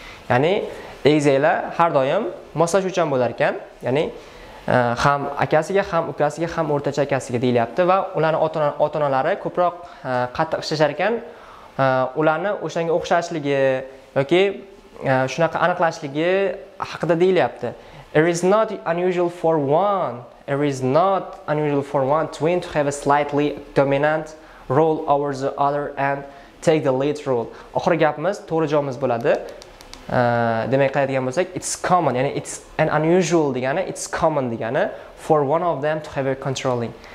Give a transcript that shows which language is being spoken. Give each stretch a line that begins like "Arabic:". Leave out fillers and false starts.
Uzbek: Ya'ni egizaklar har doim moslashuvchan bo'lar ekan, ya'ni ham akasiga, ham ukasiga, ham o'rtacha akasiga deyilyapti va ularning ota-onalari ko'proq qattiq ishlashar ekan, ularni o'shanga o'xshashligi yoki shunaqa aniqlashligi haqida deyilyapti.
English: It is not unusual for one twin to have a slightly dominant role over the other and take the lead role.
Uzbek: Oxirgi gapimiz to'g'ri javobimiz bo'ladi. Demak, qaytadigan bo'lsak,
English: it's common, ya'ni it's an unusual degani, it's common degani for one of them to have a controlling.